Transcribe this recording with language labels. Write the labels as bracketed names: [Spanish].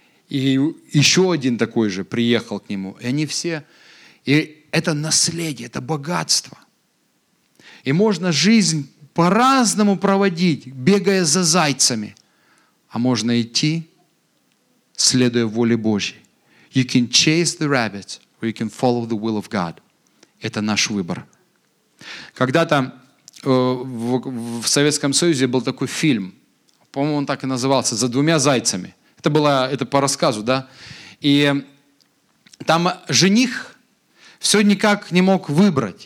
[Russian] И еще один такой же приехал к нему, и они все... И это наследие, это богатство. И можно жизнь по-разному проводить, бегая за зайцами. А можно идти, следуя воле Божьей. [English] You can chase the rabbit, or you can follow the will of God. [Russian] Это наш выбор. Когда-то в Советском Союзе был такой фильм. По-моему, он так и назывался. «За двумя зайцами». Это по рассказу, да? И там жених все никак не мог выбрать.